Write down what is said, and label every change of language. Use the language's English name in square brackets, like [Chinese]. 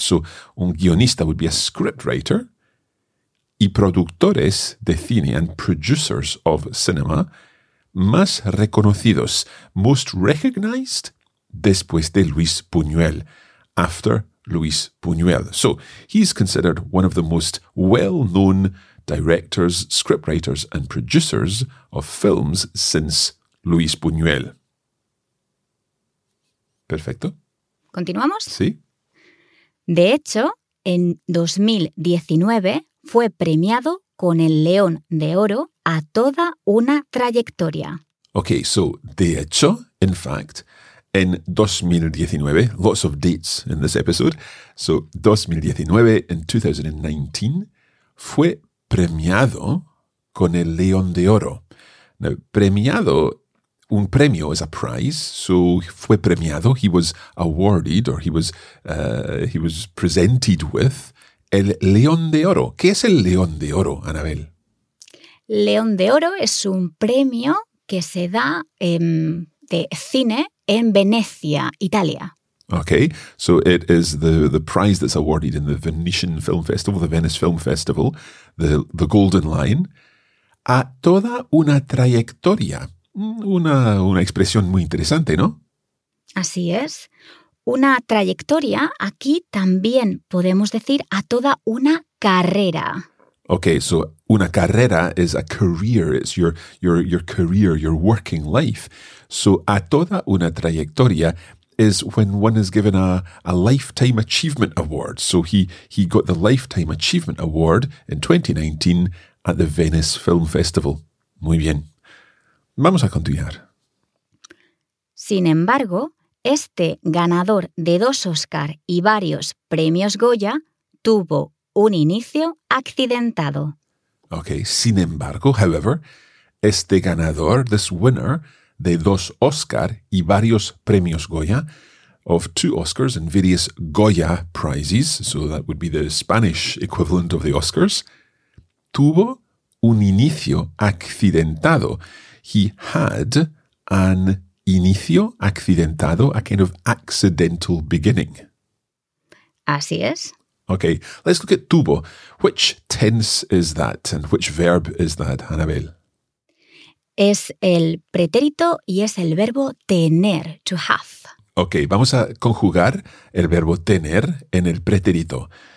[English] So un guionista would be a scriptwriter. [Spanish] Y productores de cine [English] and producers of cinema [Spanish] más reconocidos, [English] most recognized, [Spanish] después de Luis Buñuel, [English] after Luis Buñuel. So, he's considered one of the most well-known directors, scriptwriters, and producers of films since Luis Buñuel. [Spanish] Perfecto. ¿Continuamos? Sí. De hecho, en 2019 fue premiado con el León de Oro a toda una trayectoria. [English] Okay, so, [Spanish] de hecho, [English] in fact, en 2019, lots of dates in this episode. So, 2019, in 2019, [Spanish] fue premiado con el León de Oro. [English] Now, premiado, un premio is a prize. So, [Spanish] fue premiado, [English] he was awarded, or he was presented with el León de Oro. [Spanish] ¿Qué es el León de Oro, Anabel? León de Oro es un premio que se da de cine en Venecia, Italia. [English] Okay, so it is the prize that's awarded in the Venetian Film Festival, the Venice Film Festival, the Golden Lion. [Spanish] A toda una trayectoria. Una expresión muy interesante, ¿no? Así es. Una trayectoria, aquí también podemos decir a toda una carrera. [English] Okay, so una carrera is a career. It's your career, your working life. So [Spanish] a toda una trayectoria [English] is when one is given a lifetime achievement award. So he got the lifetime achievement award in 2019 at the Venice Film Festival. [Spanish] Muy bien. Vamos a continuar. Sin embargo, este ganador de dos Oscar y varios premios Goya tuvo un inicio accidentado. [English] Okay, [Spanish] sin embargo, [English] however, [Spanish] este ganador, [English] this winner [Spanish] de dos Oscar y varios premios Goya, [English] of two Oscars and various Goya prizes, so that would be the Spanish equivalent of the Oscars, [Spanish] tuvo un inicio accidentado. [English] He had an [Spanish] inicio accidentado, [English] a kind of accidental beginning. [Spanish] Así es. [English] Okay, let's look at tuvo. Which tense is that and which verb is that, Annabelle? [Spanish] Es el pretérito y es el verbo tener, [English] to have. [Spanish] Okay, vamos a conjugar el verbo tener en el pretérito.